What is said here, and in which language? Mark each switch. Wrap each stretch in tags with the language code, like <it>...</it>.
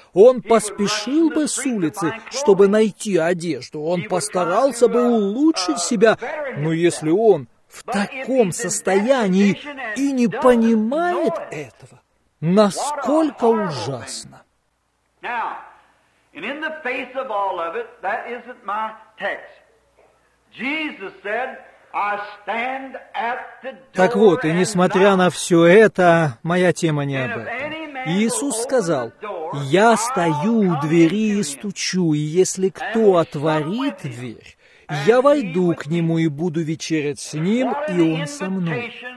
<ru>Он поспешил бы с улицы, чтобы найти одежду. Он постарался бы улучшить себя. Но если он в таком состоянии и не понимает этого, насколько ужасно.</ru> <en>And in the face of all of it, that isn't my text. Jesus said, I stand at the door.</en> <ru>Так вот, и несмотря на все это, моя тема не об этом. Иисус сказал, «Я стою у двери и стучу, и если кто отворит дверь, я войду к нему и буду вечерять с ним, и он со мной».</ru>